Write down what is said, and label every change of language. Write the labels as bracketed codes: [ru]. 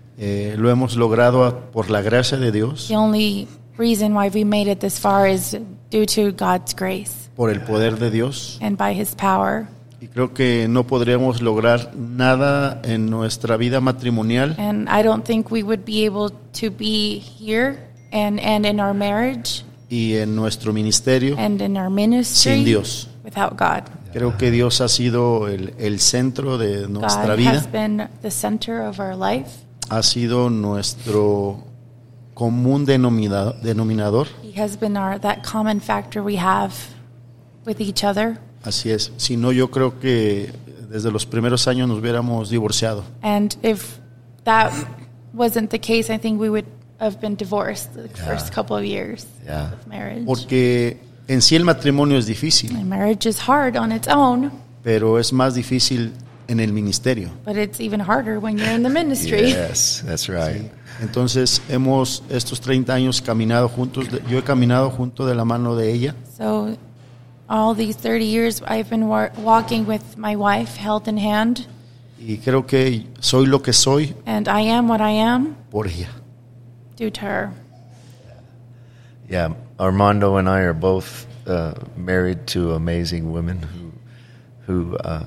[es] Lo hemos logrado por la gracia de Dios. [en] The only reason why we made it this far is due to God's grace. [es] Por el poder de Dios. [en] And by His power. [es] Y creo que no podríamos lograr nada en nuestra vida matrimonial. [en] And I don't think we would be able to be here and in our marriage. [es] Y en nuestro ministerio. [en] And in our ministry. [es] Sin Dios. [en] Without God. [es] Creo que Dios ha sido el centro de nuestra [en] God [es] vida. [en] God has been the center of our life. [es] Ha sido nuestro común denominador. [en] He has been that common factor we have with each other. [es] Así es. Si no, yo creo que desde los primeros años nos hubiéramos divorciado. [en] And if that wasn't the case, I think we would have been divorced the first couple of years of marriage. [es] Porque en sí el matrimonio es difícil. [en] And marriage is hard on its own. [es] Pero es más difícil en el ministerio. [en] But it's even harder when you're in the ministry. Yes, that's right. [es] Sí. Entonces hemos estos 30 años caminado juntos. Yo he caminado junto de la mano de ella. [en] So all these 30 years I've been walking with my wife, hand in hand. [es] Y creo que soy lo que soy. [en] And I am what I am. [es] Por ella. [en] Due to her. Yeah, Armando and I are both married to amazing women who